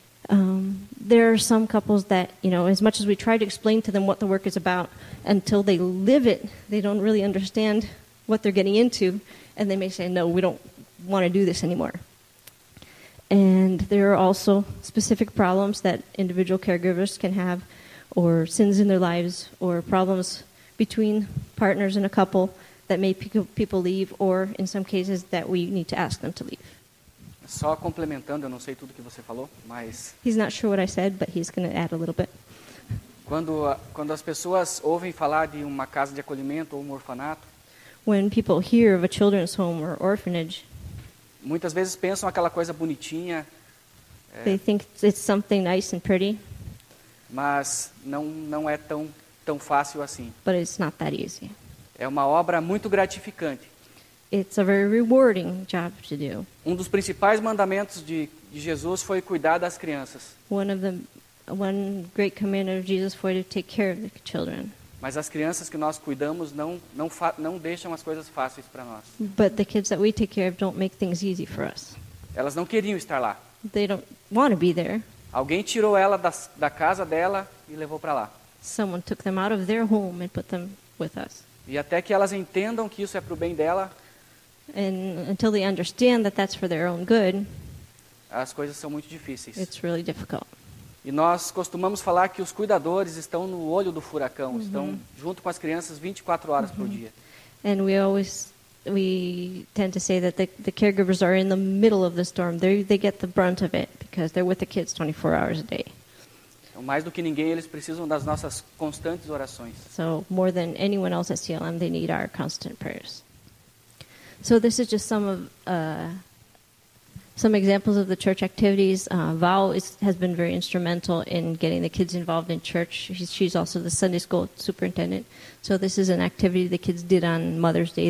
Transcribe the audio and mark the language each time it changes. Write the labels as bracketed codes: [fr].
[en] There are some couples that, you know, as much as we try to explain to them what the work is about, until they live it, they don't really understand what they're getting into, and they may say, no, we don't want to do this anymore. And there are also specific problems that individual caregivers can have, or sins in their lives, or problems between partners in a couple that may people leave, or in some cases that we need to ask them to leave. [pt] Só complementando, eu não sei tudo que você falou, mas... [en] He's not sure what I said, but he's going to add a little bit. [pt] Quando as pessoas ouvem falar de uma casa de acolhimento ou um orfanato... [en] When people hear of a children's home or orphanage... [pt] Muitas vezes pensam aquela coisa bonitinha... [en] They think it's something nice and pretty. [pt] Mas não é tão fácil assim. [en] But it's not that easy. [pt] É uma obra muito gratificante. [en] It's a very rewarding job to do. [pt] Um dos principais mandamentos de Jesus foi cuidar das crianças. [en] One great commandment of Jesus was to take care of the children. [pt] Mas as crianças que nós cuidamos não deixam as coisas fáceis para nós. [en] But the kids that we take care of don't make things easy for us. [pt] Elas não queriam estar lá. [en] They don't want to be there. [pt] Alguém tirou ela da casa dela e levou para lá. [en] Someone took them out of their home and put them with us. [pt] E até que elas entendam que isso é pro bem dela. [en] And until they understand that that's for their own good, [pt] as coisas são muito difíceis. [en] It's really difficult. [pt] E nós costumamos falar que os cuidadores estão no olho do furacão, mm-hmm. estão junto com as crianças 24 horas mm-hmm. por dia. [en] And we tend to say that the caregivers are in the middle of the storm. They get the brunt of it because they're with the kids 24 hours a day. [pt] Então, mais do que ninguém, eles precisam das nossas constantes orações. [en] So more than anyone else at CLM, they need our constant prayers. So this is just some examples of the church activities. Val has been very instrumental in getting the kids involved in church. She's also the Sunday school superintendent. So this is an activity the kids did on Mother's Day.